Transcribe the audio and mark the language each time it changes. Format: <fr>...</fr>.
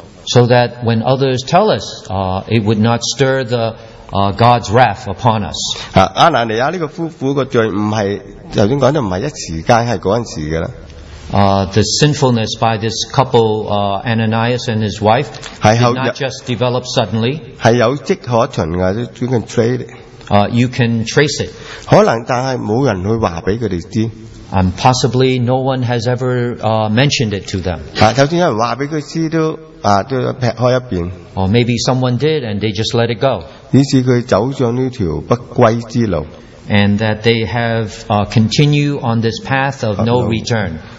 <en>So that when others tell us, it would not stir the God's wrath upon us.</en> <yue>阿拿尼亚这个夫妇的罪，唔系头先讲得唔系一时间，系嗰阵时嘅啦。</yue> <en>The sinfulness by this couple, Ananias and his wife, did not just develop suddenly.</en> <yue>系有迹可循噶，</yue> <en>you can trace. You can trace it.</en> <yue>可能，但系冇人去话俾佢哋知。</yue> <en>And possibly no one has ever mentioned it to them.</en> <yue>就算有人话俾佢知都撇开一边。</yue> <en>Or maybe someone did and they just let it go.</en> <yue>以致佢走上呢条不归之路。</yue> <en>And that they have continue on this path of no return.</en>